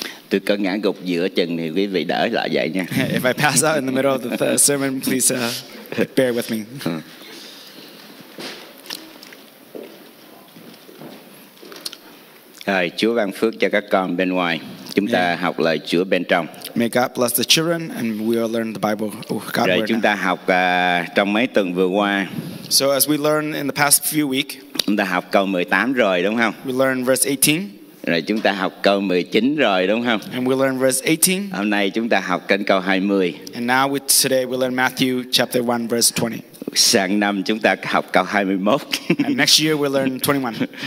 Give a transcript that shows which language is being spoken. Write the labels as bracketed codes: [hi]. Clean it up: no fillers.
[vi] Tôi có ngã gục giữa chừng thì quý vị đỡ lại vậy nha. [en] If I pass out in the middle of the sermon, please bear with me. [vi] Rồi, Chúa ban phước cho các con bên ngoài. Chúng ta học lời Chúa bên trong. [en] May God bless the children and we will learn the Bible. [vi] Rồi chúng ta học trong mấy tuần vừa qua. [en] So as we learn in the past few weeks. [vi] Chúng ta học câu 18 rồi đúng không? [en] We learn verse 18. [vi] Rồi chúng ta học câu 19 rồi đúng không? [en] And we learn verse 18. [vi] Hôm nay chúng ta học kinh câu 20. [en] And now today we learn Matthew chapter 1 verse 20. [vi] Sáng năm chúng ta học câu 21. [en] And next year we'll learn 21.